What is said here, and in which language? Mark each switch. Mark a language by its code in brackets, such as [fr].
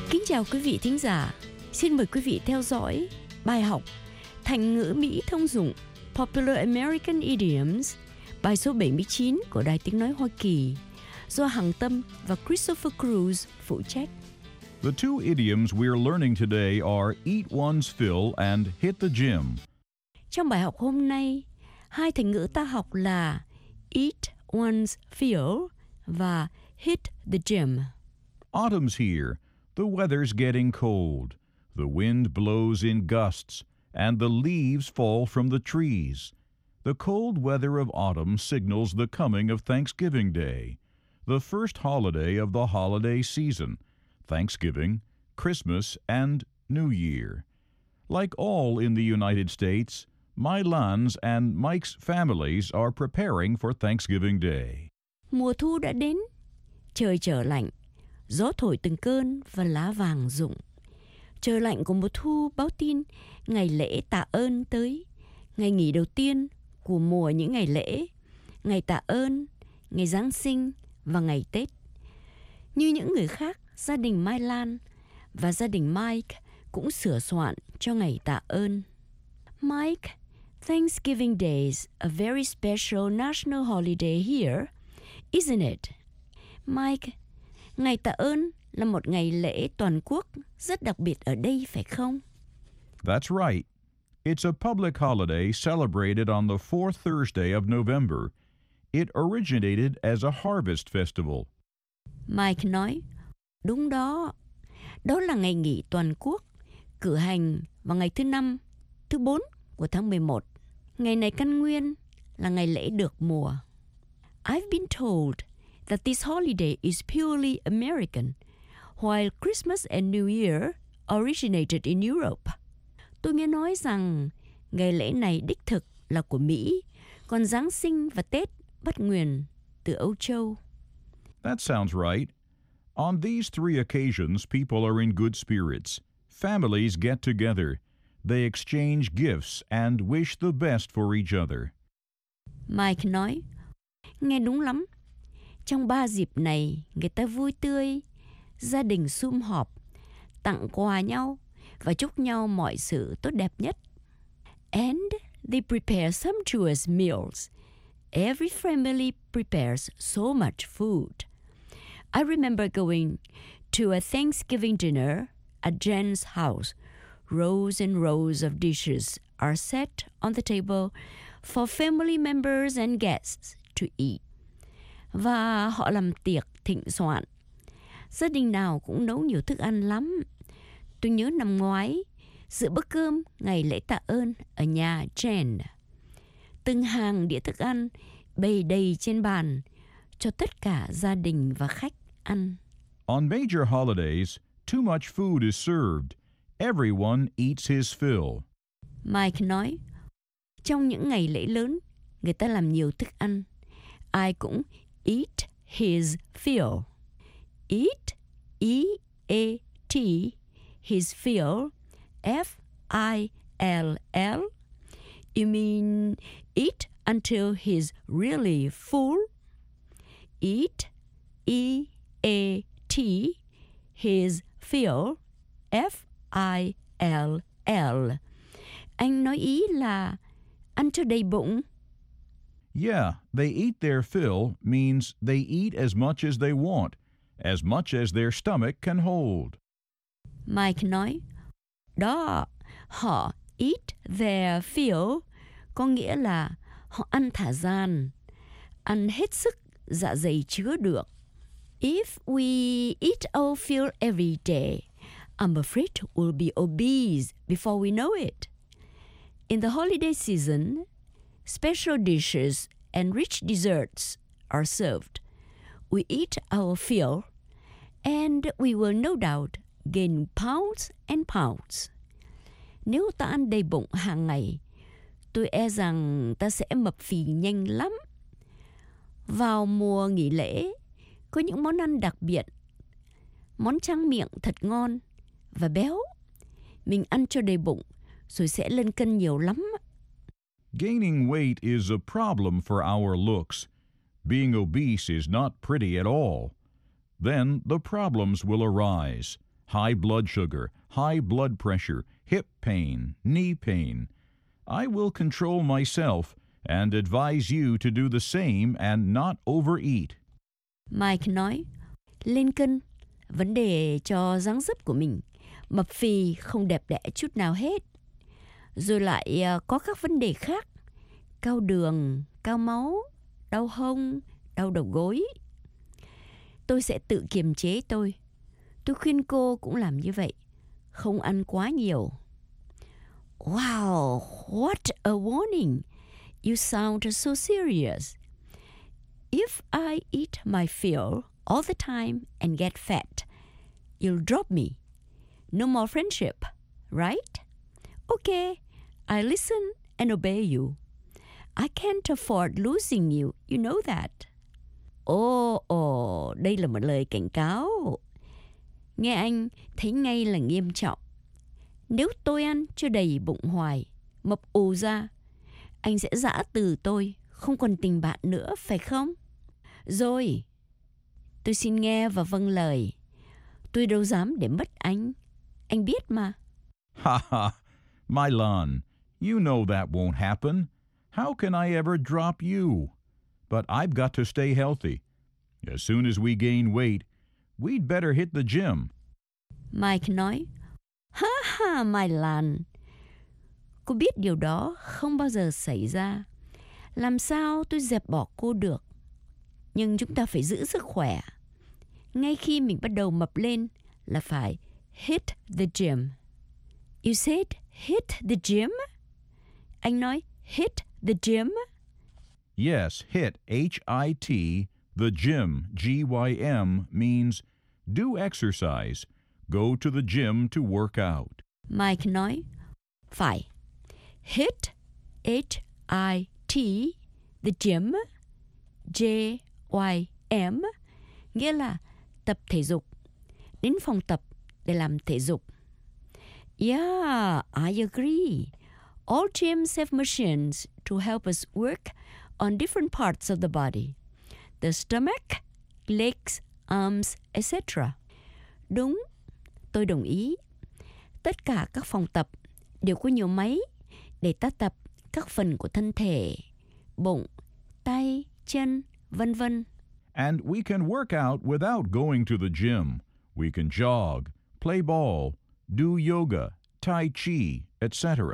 [vi] Chào quý vị thính giả, xin mời quý vị theo dõi bài học Thành ngữ Mỹ thông dụng [en] Popular American Idioms, [vi] bài số 79 của Đài Tiếng Nói Hoa Kỳ, do Hằng Tâm và Christopher Cruz phụ trách. [en] The two idioms we are learning today are eat one's fill and hit the gym. [vi] Trong bài học hôm nay, hai thành ngữ ta học là [en] eat one's fill [vi] và [en] hit the gym. Autumn's here. The weather's getting cold. The wind blows in gusts, and the leaves fall from the trees. The cold weather of autumn signals the coming of Thanksgiving Day, the first holiday of the holiday season, Thanksgiving, Christmas, and New Year. Like all in the United States, my Lan's and Mike's families are preparing for Thanksgiving Day. [vi] Mùa thu đã đến, trời trở lạnh. Gió thổi từng cơn và lá vàng rụng. Trời lạnh của mùa thu báo tin ngày lễ tạ ơn tới, ngày nghỉ đầu tiên của mùa những ngày lễ, ngày tạ ơn, ngày Giáng sinh và ngày Tết. Như những người khác, gia đình Mai Lan và gia đình Mike cũng sửa soạn cho ngày tạ ơn. [en] Mike, Thanksgiving Day is a very special national holiday here, isn't it? [vi] Mike, ngày tạ ơn là một ngày lễ toàn quốc rất đặc biệt ở đây, phải không? [en] That's right. It's a public holiday celebrated on the fourth Thursday of November. It originated as a harvest festival. [vi] Mike nói, đúng đó. Đó là ngày nghỉ toàn quốc, cử hành vào ngày thứ năm, thứ bốn của tháng 11. Ngày này căn nguyên là ngày lễ được mùa. [en] I've been told that this holiday is purely American, while Christmas and New Year originated in Europe. [vi] Tôi nghe nói rằng ngày lễ này đích thực là của Mỹ, còn Giáng sinh và Tết bắt nguồn từ Âu Châu. [en] That sounds right. On these three occasions, people are in good spirits. Families get together. They exchange gifts and wish the best for each other. [vi] Mike nói, nghe đúng lắm. Trong ba dịp này, người ta vui tươi, gia đình sum họp, tặng quà nhau và chúc nhau mọi sự tốt đẹp nhất. [en] And they prepare sumptuous meals. Every family prepares so much food. I remember going to a Thanksgiving dinner at Jen's house. Rows and rows of dishes are set on the table for family members and guests to eat. [vi] Và họ làm tiệc thịnh soạn. Gia đình nào cũng nấu nhiều thức ăn lắm. Tôi nhớ năm ngoái, dự bữa cơm ngày lễ tạ ơn ở nhà Jen. Từng hàng đĩa thức ăn bày đầy trên bàn cho tất cả gia đình và khách. [en] On major holidays, too much food is served. Everyone eats his fill. [vi] Mike nói, trong những ngày lễ lớn, người ta làm nhiều thức ăn. Ai cũng [en] eat his fill. Eat, E-A-T, his fill, F-I-L-L. You mean eat until he's really full? Eat, E. A T his fill F I L L. [vi] Anh nói ý là ăn cho đầy bụng. [en] Yeah, they eat their fill means they eat as much as they want, as much as their stomach can hold. [vi] Mike nói, đó, họ [en] eat their fill [vi] có nghĩa là họ ăn thả gian, ăn hết sức dạ dày chứa được. [en] If we eat our fill every day, I'm afraid we'll be obese before we know it. In the holiday season, special dishes and rich desserts are served. We eat our fill, and we will no doubt gain pounds and pounds. [vi] Nếu ta ăn đầy bụng hàng ngày, tôi e rằng ta sẽ mập phì nhanh lắm. Vào mùa nghỉ lễ, có những món ăn đặc biệt, món tráng miệng thật ngon và béo. Mình ăn cho đầy bụng rồi sẽ lên cân nhiều lắm. [en] Gaining weight is a problem for our looks. Being obese is not pretty at all. Then the problems will arise. High blood sugar, high blood pressure, hip pain, knee pain. I will control myself and advise you to do the same and not overeat. [vi] Mike nói, lên cân, vấn đề cho dáng dấp của mình, mập phì không đẹp đẽ chút nào hết. Rồi lại có các vấn đề khác, cao đường, cao máu, đau hông, đau đầu gối. Tôi sẽ tự kiềm chế tôi. Tôi khuyên cô cũng làm như vậy, không ăn quá nhiều. [en] Wow, what a warning. You sound so serious. If I eat my fill all the time and get fat, you'll drop me. No more friendship, right? Okay, I listen and obey you. I can't afford losing you, you know that. [vi] Oh, đây là một lời cảnh cáo. Nghe anh thấy ngay là nghiêm trọng. Nếu tôi ăn cho đầy bụng hoài, mập ù ra, anh sẽ giã từ tôi, không còn tình bạn nữa, phải không? Rồi, tôi xin nghe và vâng lời. Tôi đâu dám để mất anh. Anh biết mà. [en] Ha ha, Mylon, you know that won't happen. How can I ever drop you? But I've got to stay healthy. As soon as we gain weight, we'd better hit the gym. [vi] Mike nói, ha ha, Mylon, Cô biết điều đó không bao giờ xảy ra. Làm sao tôi dẹp bỏ cô được? Nhưng chúng ta phải giữ sức khỏe. Ngay khi mình bắt đầu mập lên là phải [en] hit the gym. You said hit the gym? [vi] Anh nói [en] hit the gym? Yes, hit, H-I-T, the gym, G-Y-M, means do exercise. Go to the gym to work out. [vi] Mike nói, phải. [en] Hit, H-I-T, the gym, J-Y-M, [vi] nghĩa là tập thể dục. Đến phòng tập để làm thể dục. [en] Yeah, I agree. All gyms have machines to help us work on different parts of the body. The stomach, legs, arms, etc. [vi] Đúng, tôi đồng ý. Tất cả các phòng tập đều có nhiều máy để ta tập các phần của thân thể, bụng, tay, chân, vân vân. [en] And we can work out without going to the gym. We can jog, play ball, do yoga, tai chi, etc.